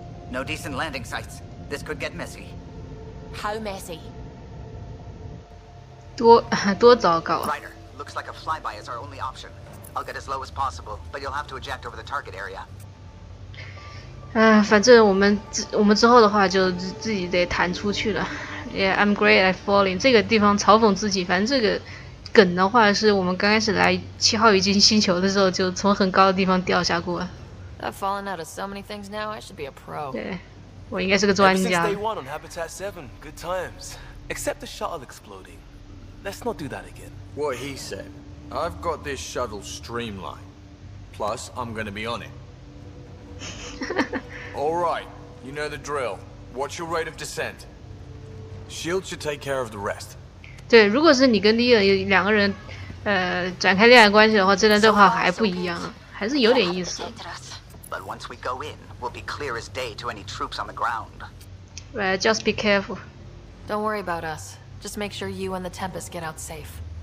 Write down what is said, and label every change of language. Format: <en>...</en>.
<en>No decent landing sites. This could get messy. How messy?</en> <zh>多糟糕。</zh> <en>Rider. Looks like a flyby is our only option. I'll get as low as possible, but you'll have to eject over the target area.</en> <zh>反正我们之后的话就自己得弹出去了。</zh> <en>Yeah, I'm great at falling.</en> <zh>这个地方嘲讽自己，反正这个梗的话是我们刚开始来七号已经星球的时候就从很高的地方掉下过。</zh> <en>I've fallen out of so many things now. I should be a pro.</en> <zh>对，我应该是个专家。</zh> <en>Ever since day one on Habitat 7, good times. Except the shuttle exploding. Let's not do that again. What he said. I've got this shuttle streamlined. Plus, I'm gonna be on it. All right, you know the drill. What's your rate of descent? Shield should take care of the rest.</en> <zh>对，如果是你跟 Leon 两个人，展开恋爱关系的话，这段对话还不一样，还是有点意思。</zh> <en>But once we go in, we'll be clear as day to any troops on the ground. Right, just be careful. Don't worry about us. Just make sure you and the Tempest get out safe.</en>